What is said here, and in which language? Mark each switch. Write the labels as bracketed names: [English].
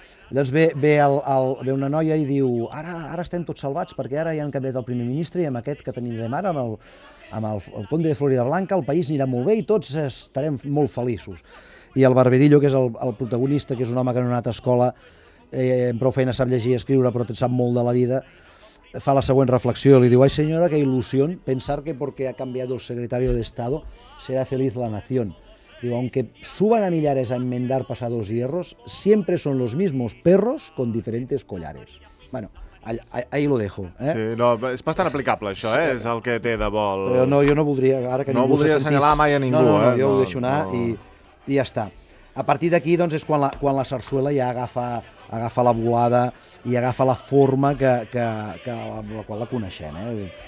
[Catalan] Llavors ve una noia i diu, ara estem tots salvats, perquè ara ja han canviat el primer ministre i amb aquest que tindrem ara, amb el conde de Florida Blanca, el país anirà molt bé i tots estarem molt feliços. I el Barberillo, que és el protagonista, que és un home que no ha anat a escola, amb prou feina sap llegir i escriure, però sap molt de la vida, fa la següent reflexió, li diu, ai senyora, que il·lusió pensar que [Spanish] porque ha cambiado el secretario de Estado será feliz la nación. Digo, aunque suban a millares a enmendar pasados hierros, siempre son los mismos perros con diferentes collares. Bueno, ahí lo dejo, eh? [Catalan] Sí, no, és bastant aplicable, això, eh? Sí. És el que té de bo. Però no, jo no voldria, ara que no ningú voldria se sentís... assenyalar mai a ningú, no, no, no, eh? Jo no, ho deixo anar, no. I ja està. A partir d'aquí, doncs, és quan la sarsuela ja agafa la volada i agafa la forma que la qual la coneixem, eh?